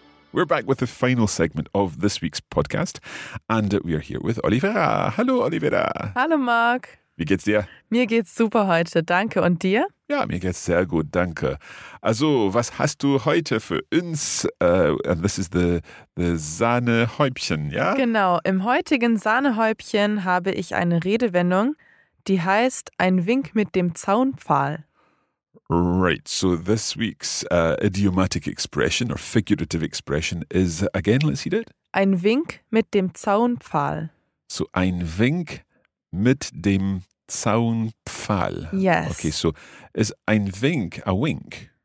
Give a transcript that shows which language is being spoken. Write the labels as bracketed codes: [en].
[en] We're back with the final segment of this week's podcast, and we are here with Oliveira. Hello, Oliveira. [de] Hallo, Mark. Wie geht's dir? Mir geht's super heute, danke. Und dir? Ja, mir geht's sehr gut, danke. Also, was hast du heute für uns? [en] And this is the Sahnehäubchen, [de] ja? [en] Yeah? [de] Genau, im heutigen Sahnehäubchen habe ich eine Redewendung, die heißt ein Wink mit dem Zaunpfahl. [en] Right, so this week's idiomatic expression or figurative expression is, again, let's see it. [de] Ein Wink mit dem Zaunpfahl. So, ein Wink mit dem Zaunpfahl. [en] Yes. Okay, so is ein Wink a wink?